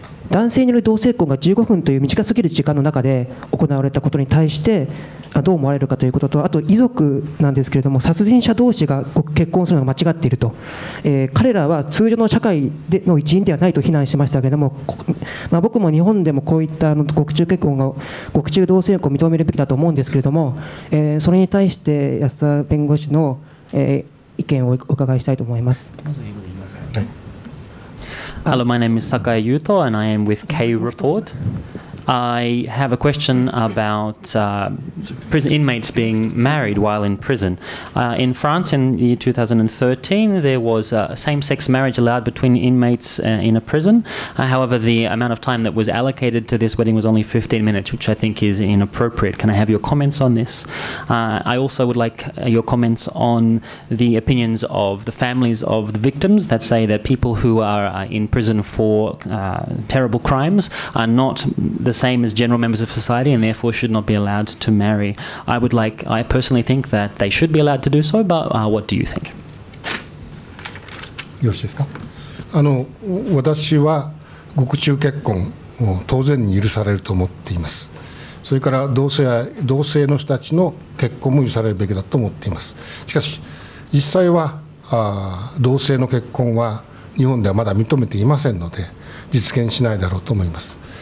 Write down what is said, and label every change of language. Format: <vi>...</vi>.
<ja>男性による同性婚が15分という短すぎる時間の中で行われたことに対してどう思われるかということと、あと遺族なんですけれども、殺人者同士が結婚するのが間違っていると、彼らは通常の社会での一員ではないと非難しましたけれども、まあ、僕も日本でもこういった獄中結婚が獄中同性婚を認めるべきだと思うんですけれども、それに対して安田弁護士の、意見をお伺いしたいと思います。</ja> <en>Hello, my name is Sakai Yuto and I am with K Report. I have a question about inmates being married while in prison. In France in the year 2013, there was same-sex marriage allowed between inmates in a prison. However, the amount of time that was allocated to this wedding was only 15 minutes, which I think is inappropriate. Can I have your comments on this? I also would like your comments on the opinions of the families of the victims that say that people who are in prison for terrible crimes are not the same as general members of society and therefore should not be allowed to marry. I personally think that they should be allowed to do so, but what do you think?</en> <ja>よろしいですか。私は獄中結婚を当然に許されると思っています。それから同性の人たちの結婚も許されるべきだと思っています。しかし実際は同性の結婚は日本ではまだ認めていませんので実現しないだろうと思います。</ja>